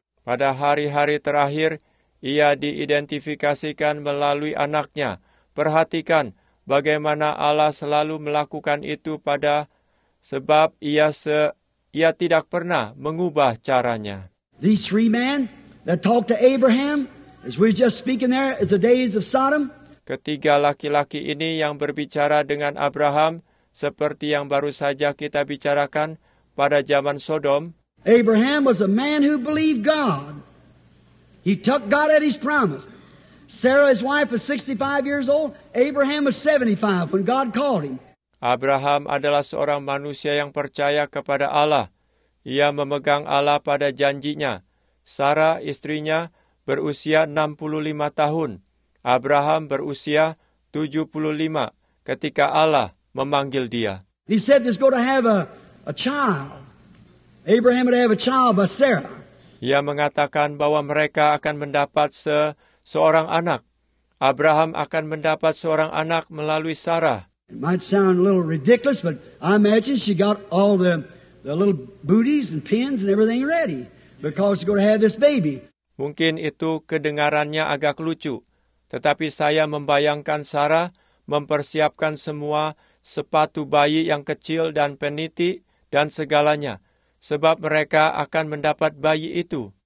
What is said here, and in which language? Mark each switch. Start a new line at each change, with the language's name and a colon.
Indonesian: Pada hari-hari terakhir, ia diidentifikasikan melalui anaknya. Perhatikan bagaimana Allah selalu melakukan itu pada sebab ia tidak pernah mengubah caranya.
English: These three men that talked to Abraham, as we just speaking there, is the days of Sodom.
Indonesian: Ketiga laki-laki ini yang berbicara dengan Abraham, seperti yang baru saja kita bicarakan pada zaman Sodom.
English: Abraham was a man who believed God. He took God at his promise. Sarah, his wife, was 65 years old. Abraham was 75 when God called him.
Indonesian: Abraham adalah seorang manusia yang percaya kepada Allah. Ia memegang Allah pada janjinya. Sarah, istrinya, berusia 65 tahun. Abraham berusia 75 ketika Allah memanggil dia.
English: He said he's going to have a child. Abraham would have a child by Sarah.
Indonesian: Ia mengatakan bahwa mereka akan mendapat seorang anak. Abraham akan mendapat seorang anak melalui Sarah.
English: It might sound a little ridiculous, but I imagine she got all the little booties and pins and everything ready because she's going to have this baby.
Indonesian: Mungkin itu kedengarannya agak lucu, tetapi saya membayangkan Sarah mempersiapkan semua sepatu bayi yang kecil dan peniti dan segalanya, sebab mereka akan mendapat bayi itu.